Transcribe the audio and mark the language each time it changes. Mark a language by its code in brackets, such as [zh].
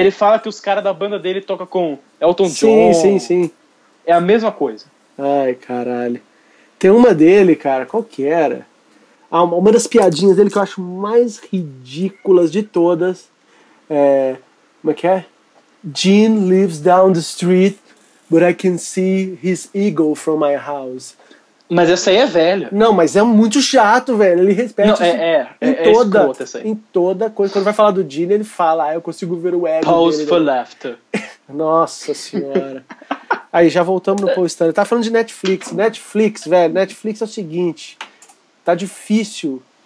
[pt] Ele fala que os caras da banda dele tocam com Elton John. Sim, sim, sim. É a mesma coisa. Ai, caralho. Tem uma dele, cara, qual que era? Ah, uma das piadinhas dele que eu acho mais ridículas de todas. É, como é que é? [en] Gene lives down the street, but I can see his ego from my house. [pt] Mas essa aí é velha. Não, mas é muito chato, velho. Ele respeita isso em toda coisa. Quando vai falar do Gene, ele fala, ah, eu consigo ver o ego dele. [en] Pause for laughter. [pt] Nossa senhora. Aí, já voltamos no Paul Stanley. Tá falando de Netflix. Netflix, velho. Netflix é o seguinte. Tá difícil.